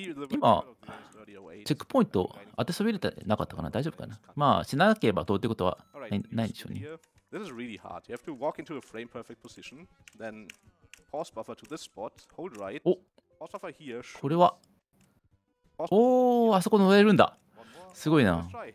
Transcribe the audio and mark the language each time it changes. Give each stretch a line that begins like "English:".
Japanese: 今、チェックポイント当てそびれてなかったかな、大丈夫かな。まあ、死ななければどうってことはないでしょうね。
English: This is really hard. You have to walk into a frame perfect position, then pause buffer to this spot, hold right, pause buffer here.
Japanese: これは、おお、あそこ乗れるんだ。すごいな。